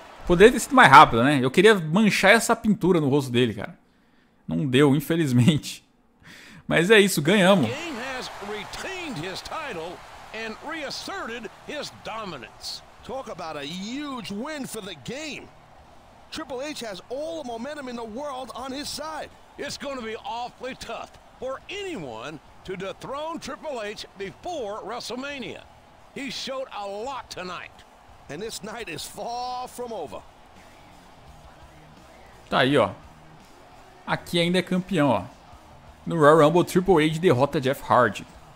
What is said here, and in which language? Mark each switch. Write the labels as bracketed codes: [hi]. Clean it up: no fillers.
[pt] Poderia ter sido mais rápido, né? Eu queria manchar essa pintura no rosto dele, cara. Não deu, infelizmente. Mas é isso, ganhamos. [en] Retained his title and reasserted his dominance. Talk about a huge win for the game. Triple H has all the momentum in the world on his side. It's going to be awfully tough for anyone to dethrone Triple H before WrestleMania. He showed a lot tonight. And this night is far from over. [pt] Tá aí, ó. Aqui ainda é campeão, ó. No Royal Rumble, Triple H derrota Jeff Hardy.